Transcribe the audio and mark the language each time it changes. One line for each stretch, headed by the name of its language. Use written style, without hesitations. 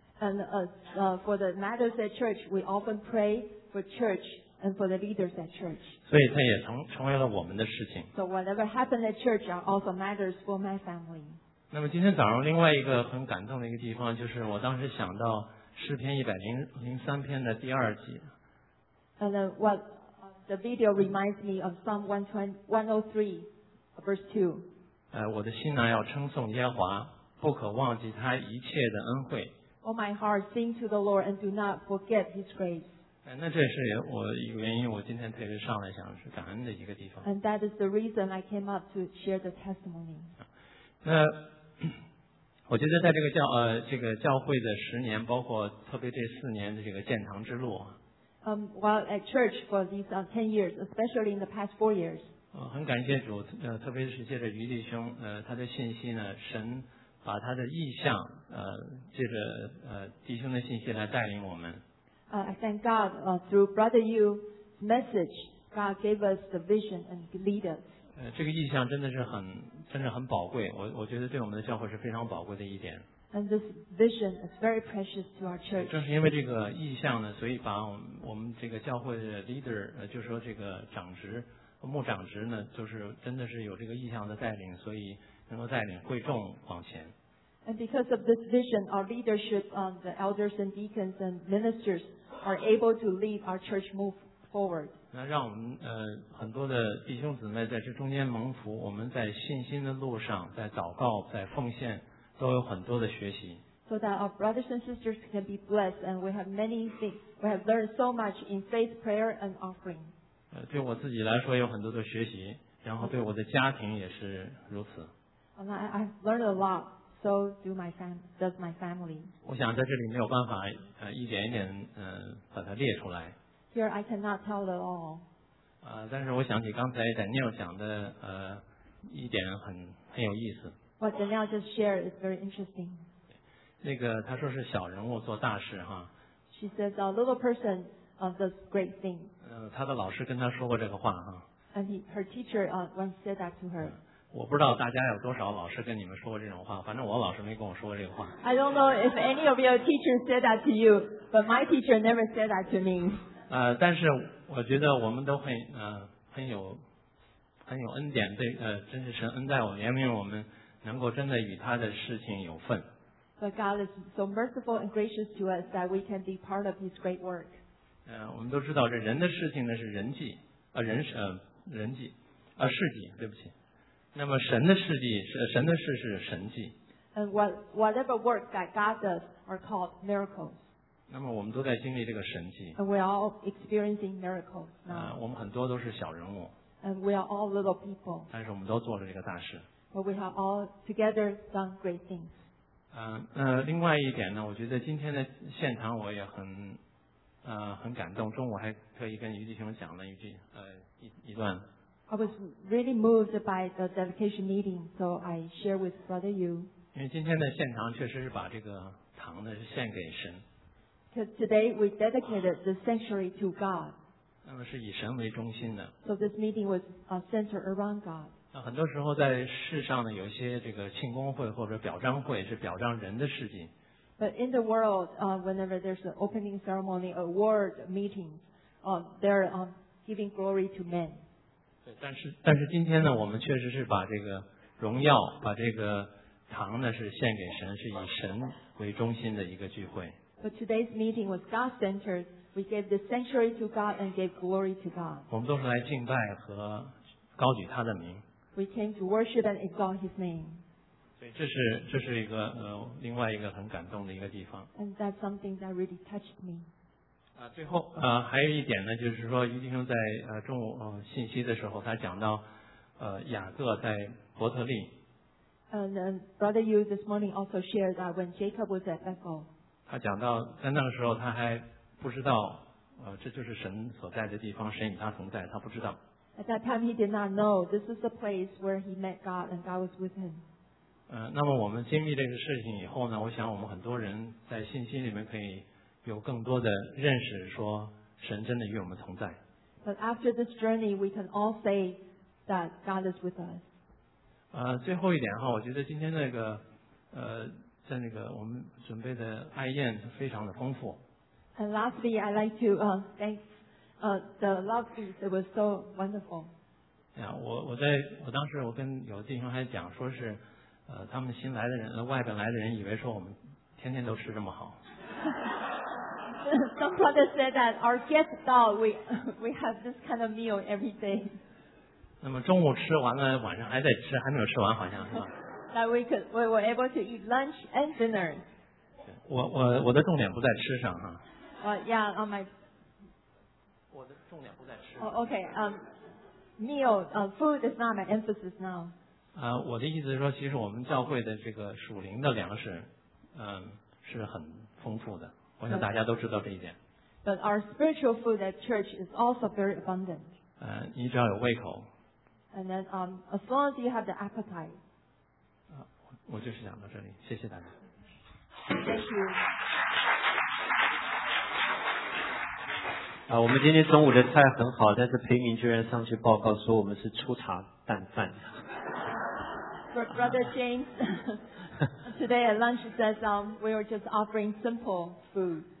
English: And for the matters at church, we often pray for church and for the leaders at church.
Chinese: 所以它也成为了我们的事情。
English: So whatever happened at church are also matters for my family.
Chinese: 那么今天早上另外一个很感动的一个地方，就是我当时想到诗篇103篇的第二节。
English: And what the video reminds me of Psalm 103, verse 2.
Chinese: 我的心呐，要称颂耶和华，不可忘记他一切的恩惠。
English: Oh, my heart, sing to the Lord and do not forget His grace.
Chinese: 那这是我一个原因，我今天特别上来想是感恩的一个地方。
English: And that is the reason I came up to share the testimony.
Chinese: 我觉得在这个教会的十年，包括特别这四年的这个建堂之路。
English: While at church for these 10 years, especially in the past 4 years.
Chinese: 很感谢主，特别是借着余弟兄，他的信息呢，神把他的意象，借着弟兄的信息来带领我们。
English: I thank God, through Brother Yu's message, God gave us the vision and lead us.
Chinese: 这个意象真的是很。真的很宝贵，我觉得对我们的教会是非常宝贵的一点。
English: And this vision is very precious to our church.
Chinese: 正是因为这个意向呢，所以把我们这个教会的 leader， 就是说这个长职牧长职呢，就是真的是有这个意向的带领，所以能够带领会众往前。
English: And because of this vision, our leadership, the elders and deacons and ministers are able to lead our church move forward.
Chinese: 那让我们很多的弟兄姊妹在这中间蒙福，我们在信心的路上，在祷告，在奉献，都有很多的学习。
English: So that our brothers and sisters can be blessed, and we have many things. We have learned so much in faith, prayer, and offering.
Chinese: 对我自己来说有很多的学习，然后对我的家庭也是如此。
English: And I've learned a lot. So does my family.
Chinese: 我想在这里没有办法一点一点把它列出来。
English: Here I cannot tell it all.
Chinese: 但是我想起刚才 Daniel 讲的一点很有意思。
English: What Daniel just shared is very interesting.
Chinese: 那个他说是小人物做大事哈。
English: She says a little person does great things.
Chinese: 他的老师跟他说过这个话哈。
English: And her teacher once said that to her.
Chinese: 我不知道大家有多少老师跟你们说过这种话，反正我老师没跟我说过这个话。
English: I don't know if any of your teachers said that to you, but my teacher never said that to me.
Chinese: 但是我觉得我们都会很有恩典，对真是神恩待我，怜悯我们，能够真的与他的事情有份。
English: But God is so merciful and gracious to us that we can be part of His great work.
Chinese: 我们都知道这人的事情呢是人际，事际，对不起。那么神的事迹是神的事是神迹。
English: And whatever work that God does are called miracles.
Chinese: 那么我们都在经历这个神迹。
English: And we are all experiencing miracles now.
Chinese: 我们很多都是小人物。
English: And we are all little people.
Chinese: 但是我们都做了这个大事。
English: But we have all together done great things.
Chinese: 另外一点呢，我觉得今天的现场我也很感动。中午还特意跟余弟兄讲了一段。
English: I was really moved by the dedication meeting, so I share with Brother Yu.
Chinese: 因为今天的现场确实是把这个堂呢是献给神。
English: Today we dedicated the sanctuary to God.
Chinese: 那么是以神为中心的。
English: So this meeting was centered around God.
Chinese: 那很多时候在世上呢，有一些这个庆功会或者表彰会是表彰人的事迹。
English: But in the world, whenever there's an opening ceremony, award meeting, there are giving glory to men.
Chinese: 但是今天呢，我们确实是把这个荣耀，把这个堂呢是献给神，是以神为中心的一个聚会。
English: But today's meeting was God-centered. We gave the sanctuary to God and gave glory to God.
Chinese: 我们都是来敬拜和高举他的名。
English: We came to worship and exalt His name.
Chinese: 所以这是一个另外一个很感动的一个地方。
English: And that's something that really touched me.
Chinese: 最后还有一点呢，就是说于弟兄在中午信息的时候，他讲到雅各在伯特利。
English: And Brother Yu this morning also shared that when Jacob was at Bethel.
Chinese: 他讲到在那个时候他还不知道这就是神所在的地方，神与他同在，他不知道。
English: At that time he did not know this is the place where he met God and God was with him.
Chinese: 那么我们经历这个事情以后呢，我想我们很多人在信心里面可以有更多的认识，说神真的与我们同在。
English: But after this journey we can all say that God is with us.
Chinese: 最后一点哈，我觉得今天那个在那个我们准备的爱宴非常的丰富。
English: And lastly, I'd like to thank the love feast. It was so wonderful.
Chinese: Yeah, 我当时我跟有弟兄还讲说是，他们新来的人，外边来的人以为说我们天天都吃这么好。
English: Some brothers said that our guests thought we have this kind of meal every day.
Chinese: 那么中午吃完了，晚上还得吃，还没有吃完好像是吧。
English: That we were able to eat lunch and dinner.
Chinese: 我的重点不在吃上哈。
English: Food is not my emphasis now.
Chinese: 我的意思是说，其实我们教会的这个属灵的粮食，是很丰富的。我想大家都知道这一点。
English: But our spiritual food at church is also very abundant.
Chinese: 你只要有胃口。
English: And then, as long as you have the appetite.
Chinese: 我就是讲到这里，谢谢大家。
English: Thank you.
Chinese: 我们今天中午的菜很好，但是裴明居然上去报告说我们是粗茶淡饭。
English: Brother James, today at lunch says we are just offering simple food.